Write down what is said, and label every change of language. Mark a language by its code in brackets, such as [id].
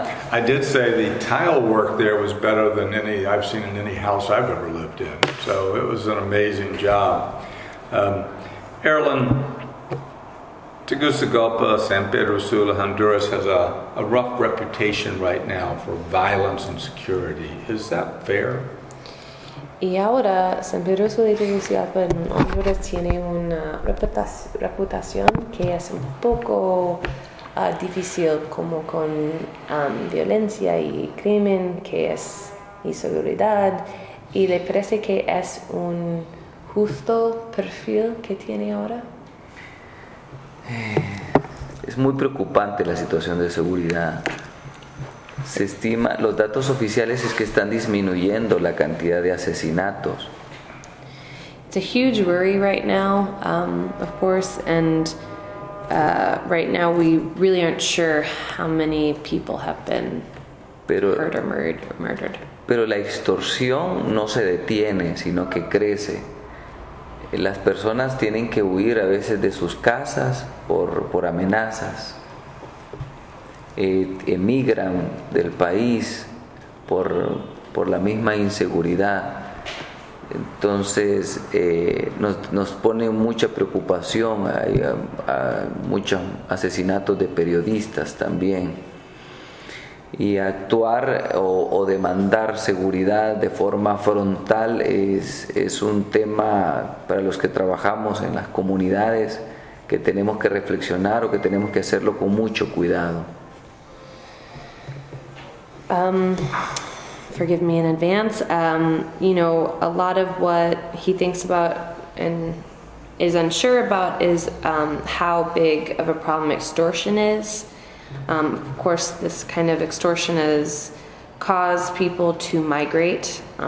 [en] I did say the tile work there was better than any I've seen in any house I've ever lived in. So it was an amazing job. Erlen, Tegucigalpa, San Pedro Sula, Honduras has a rough reputation right now for violence and security. Is that fair? [es] Y ahora San Pedro Sula y Tegucigalpa en Honduras tiene una reputación que es un poco difícil, como con violencia y crimen, que es inseguridad, y le parece que es un justo perfil que tiene ahora. Es muy preocupante la situación de seguridad. Se estima, los datos oficiales es que están disminuyendo la cantidad de asesinatos. [en] It's a huge worry right now, of course, and right now we really aren't sure how many people have been hurt or murdered. [es] Pero la extorsión no se detiene, sino que crece. Las personas tienen que huir a veces de sus casas por amenazas. Emigran del país por la misma inseguridad. Entonces nos pone mucha preocupación. Hay muchos asesinatos de periodistas también. Y actuar o demandar seguridad de forma frontal es un tema para los que trabajamos en las comunidades que tenemos que reflexionar o que tenemos que hacerlo con mucho cuidado. [en] Forgive me in advance. A lot of what he thinks about and is unsure about is how big of a problem extortion is. Of course, this kind of extortion has caused people to migrate.